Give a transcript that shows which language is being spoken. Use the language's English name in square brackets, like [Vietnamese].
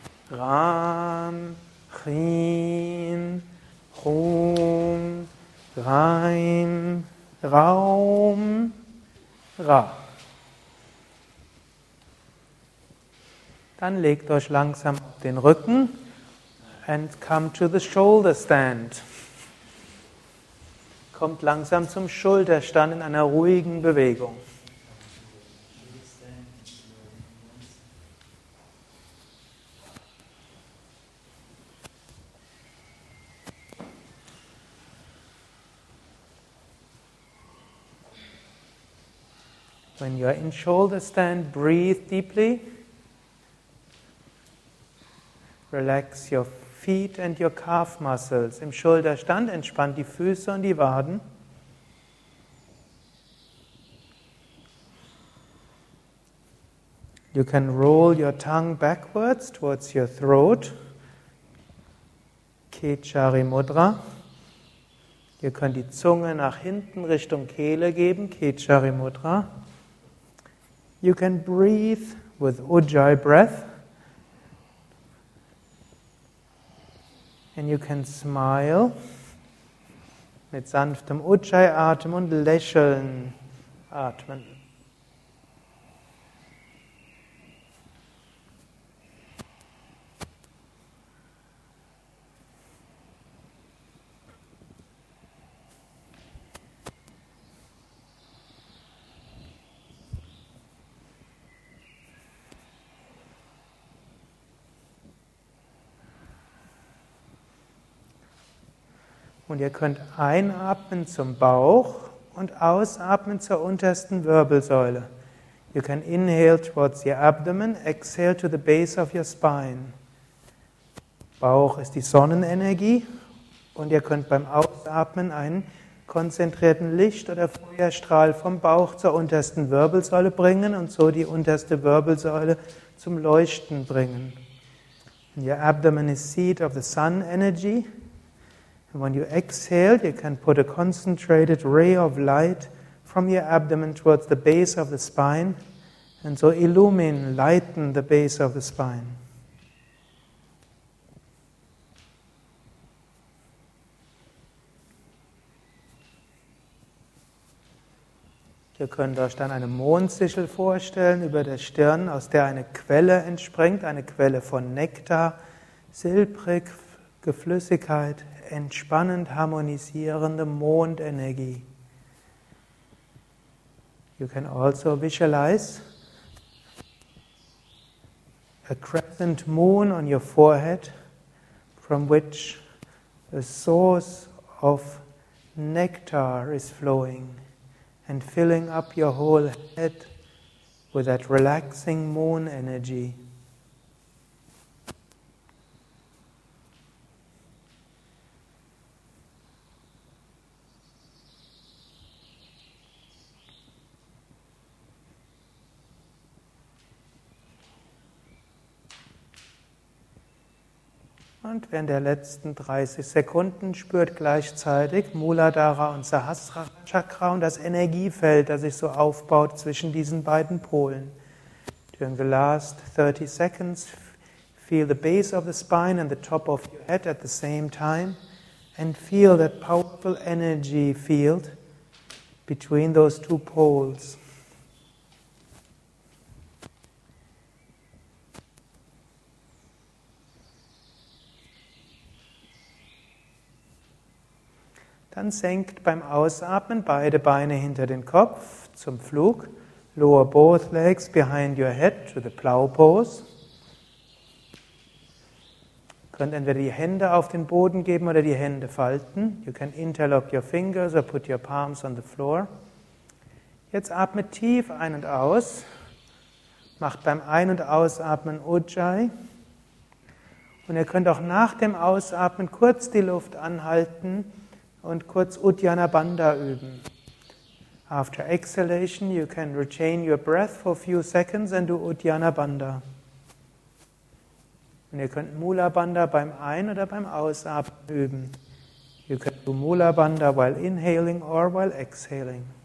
[Sanskrit] Ram, Rim, Rum, Reim, Raum, Ra. [German] Dann legt euch langsam auf den Rücken. [English] And come to the shoulder stand. [German] Kommt langsam zum Schulterstand in einer ruhigen Bewegung. [English] When you are in shoulder stand, breathe deeply. Relax your feet and your calf muscles. [German] Im Schulterstand entspannt die Füße und die Waden. [English] You can roll your tongue backwards towards your throat. Kechari Mudra. [German] Ihr könnt die Zunge nach hinten Richtung Kehle geben. Kechari Mudra. [English] You can breathe with Ujjayi breath. And you can smile [German] mit sanftem Ujjayi-Atem und lächeln atmen. Und ihr könnt einatmen zum Bauch und ausatmen zur untersten Wirbelsäule. [English] You can inhale towards your abdomen, exhale to the base of your spine. [German] Bauch ist die Sonnenenergie und ihr könnt beim Ausatmen einen konzentrierten Licht- oder Feuerstrahl vom Bauch zur untersten Wirbelsäule bringen und so die unterste Wirbelsäule zum Leuchten bringen. [English] And your abdomen is seat of the sun energy. And when you exhale, you can put a concentrated ray of light from your abdomen towards the base of the spine. And so illumine, lighten the base of the spine. [German] Ihr könnt euch dann eine Mondsichel vorstellen über der Stirn, aus der eine Quelle entspringt, eine Quelle von Nektar, silbrig, Geflüssigkeit, entspannend harmonisierende Mondenergie. [English] You can also visualize a crescent moon on your forehead, from which a source of nectar is flowing and filling up your whole head with that relaxing moon energy. [German] Und während der letzten 30 Sekunden spürt gleichzeitig Muladhara und Sahasrara Chakra und das Energiefeld, das sich so aufbaut zwischen diesen beiden Polen. [English] During the last 30 seconds, feel the base of the spine and the top of your head at the same time and feel that powerful energy field between those two poles. [German] Dann senkt beim Ausatmen beide Beine hinter den Kopf zum Flug. [English] Lower both legs behind your head to the plow pose. [German] Könnt entweder die Hände auf den Boden geben oder die Hände falten. [English] You can interlock your fingers or put your palms on the floor. [German] Jetzt atmet tief ein und aus. Macht beim Ein- und Ausatmen Ujjayi. Und ihr könnt auch nach dem Ausatmen kurz die Luft anhalten und kurz Uddiyana Bandha üben. [English] After exhalation, you can retain your breath for a few seconds and do Uddiyana Bandha. [German] Und ihr könnt Mula Bandha beim Ein- oder beim Ausatmen üben. [English] You can do Mula Bandha while inhaling or while exhaling.